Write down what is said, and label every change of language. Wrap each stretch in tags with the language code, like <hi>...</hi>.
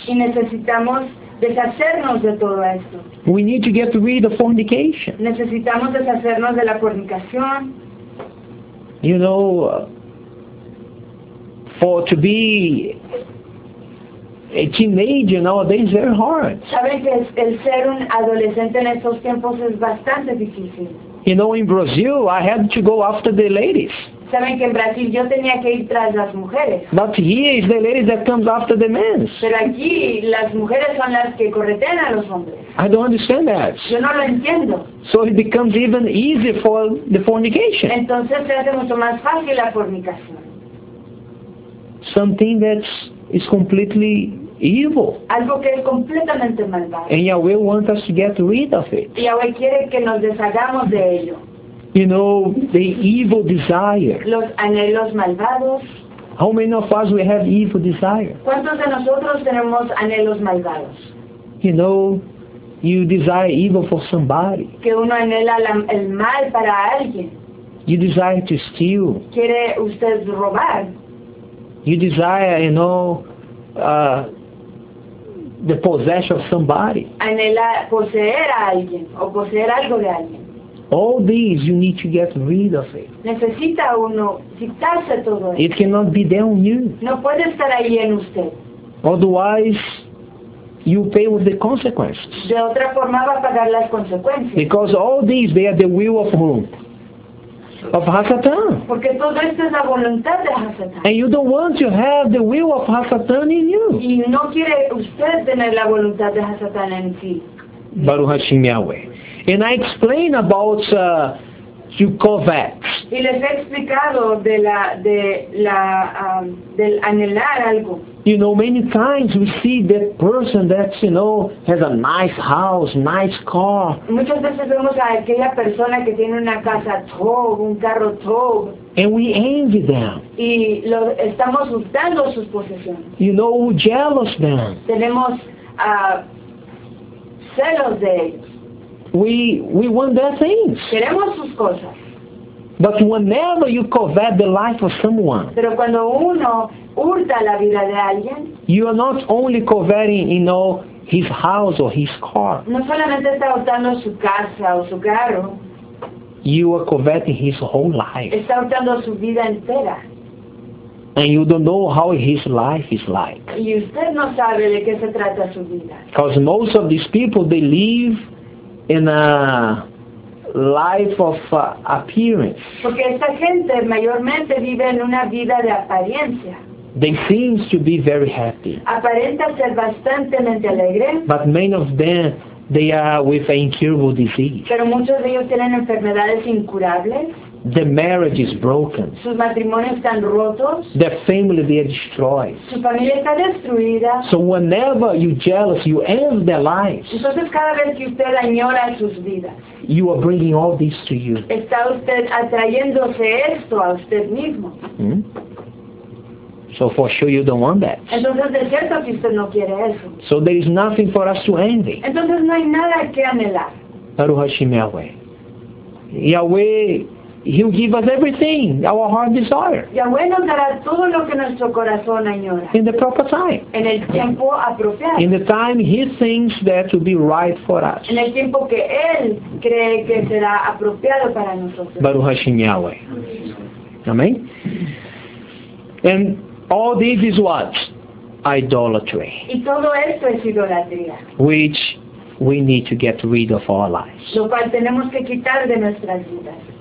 <es>Y necesitamos deshacernos de todo esto.</es> <en>We need to get rid of fornication.</en> <es>Necesitamos deshacernos de la fornicación.</es> <en>You know, for to be a teenager nowadays is very hard.</en> <es>Saben que el ser un adolescente en estos tiempos es bastante difícil.</es> <en>You know, in Brazil, I had to go after the ladies.</en> <es>Saben que en Brasil yo tenía que ir tras las mujeres.</es> <en>But here is the ladies that comes after the men.</en> <es>Pero aquí las mujeres son las que corretean a los hombres.</es> <en>I don't understand that.</en> <es>Yo no lo entiendo.</es> <en>So it becomes even easier for the fornication.</en> <es>Entonces se hace mucho más fácil la fornicación.</es> <en>Something that is completely evil.</en> <es>Algo que es completamente malvado.</es> <en>And Yahweh wants us to get rid of it.</en> <es>Yahweh quiere que nos deshagamos de ello.</es> <en>You know, the evil desire.</en> <es>Los anhelos malvados.</es> <en>How many of us we have evil desire?</en> <es>¿Cuántos de nosotros tenemos anhelos malvados?</es> <en>You know, you desire evil for somebody.</en> <es>Que uno anhela el mal para alguien.</es> <en>You desire to steal.</en> <es>¿Quiere usted robar?</es> <en>You desire, you know, the possession of somebody.</en> <es>Anhela poseer a alguien o poseer algo de alguien.</es> <en>All these you need to get rid of it.</en> <es>Necesita uno quitarse todo eso.</es> <en>It cannot be there on you.</en> <es>No puede estar ahí en usted.</es> <en>Otherwise, you pay with the consequences.</en> <es>De otra forma va a pagar las consecuencias.</es> <en>Because all these, they are the will of whom? Of HaSatan.</en> <es>Porque todo esto es la voluntad de HaSatan.</es> <en>And you don't want to have the will of HaSatan in you.</en> <es>Y no quiere usted tener la voluntad de HaSatan en sí.</es> <he>Baruch Hashem Yahweh.</he> <en>And I explain about to covet.</en> <es>Y les he explicado del anhelar algo.</es> <en>You know, many times we see that person that, you know, has a nice house, nice car.</en> <es>Muchas veces vemos a aquella persona que tiene una casa top, un carro top.</es> <en>And we envy them.</en> <es>Y lo estamos hurtando sus posesiones.</es> <en>You know, we jealous them.</en> <es>Tenemos celos de ellos.</es> <en>We want their things.</en> <es>Queremos sus cosas.</es> <en>But whenever you covet the life of someone.</en> <es>Pero cuando uno hurta la vida de alguien.</es> <en>You are not only coveting, you know, his house or his car.</en> <es>No solamente está hurtando su casa o su carro.</es> <en>You are coveting his whole life.</en> <es>Está hurtando su vida entera.</es> <en>And you don't know how his life is like.</en> <es>Y usted no sabe de qué se trata su vida.</es> <en>Because most of these people, they live in a life of appearance.</en> <es>Porque esta gente mayormente vive en una vida de apariencia.</es> <en>They seem to be very happy.</en> <es>Aparenta ser bastantemente alegre.</es> <en>But many of them, they are with an incurable disease.</en> <es>Pero muchos de ellos tienen enfermedades incurables.</es> <en>The marriage is broken.</en> <es>Sus matrimonios están rotos.</es> <en>Their family, they are destroyed.</en> <es>Su familia está destruida.</es> <en>So whenever you jealous, you end their lives.</en> <es>Entonces cada vez que usted añora sus vidas.</es> <en>You are bringing all this to you.</en> <es>Está usted atrayéndose esto a usted mismo.</es> <en>So for sure you don't want that.</en> <es>Entonces de cierto que usted no quiere eso.</es> <en>So there is nothing for us to envy.</en> <es>Entonces no hay nada que anhelar.</es> <he>Baruch Hashem Yahweh.</he> <en>Yahweh, He'll give us everything, our heart desires.</en> <es>Yahweh nos dará todo lo que nuestro corazón añora.</es> <en>In the proper time.</en> <es>En el tiempo apropiado.</es> <en>In the time He thinks that will be right for us.</en> <es>En el tiempo que Él cree que será apropiado para nosotros.</es> <he>Baruch Hashem Yahweh.</he> <en>Amen. And all this is what? Idolatry.</en> <es>Y todo esto es idolatría.</es> <en>Which we need to get rid of our lives.</en> <es>Lo cual tenemos que quitar de nuestras vidas.</es>